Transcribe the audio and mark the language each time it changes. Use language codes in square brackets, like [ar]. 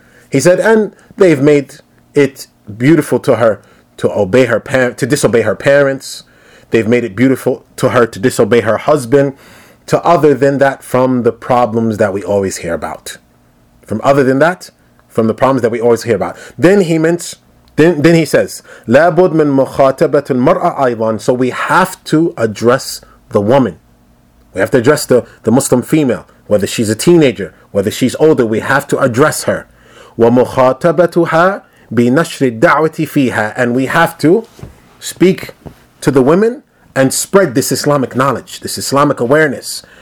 [en] He said, and they've made it beautiful to her to obey her parents, to disobey her parents. They've made it beautiful to her to disobey her husband, to other than that from the problems that we always hear about. From other than that, from the problems that we always hear about. Then he says, [ar] لابد من مخاطبة المرأة أيضا. [en] So we have to address the woman. We have to address the Muslim female, whether she's a teenager, whether she's older, we have to address her. [ar] ومخاطبتها بِنَشْرِ الدَّعْوَةِ فِيهَا. [en] And we have to speak to the women and spread this Islamic knowledge, this Islamic awareness.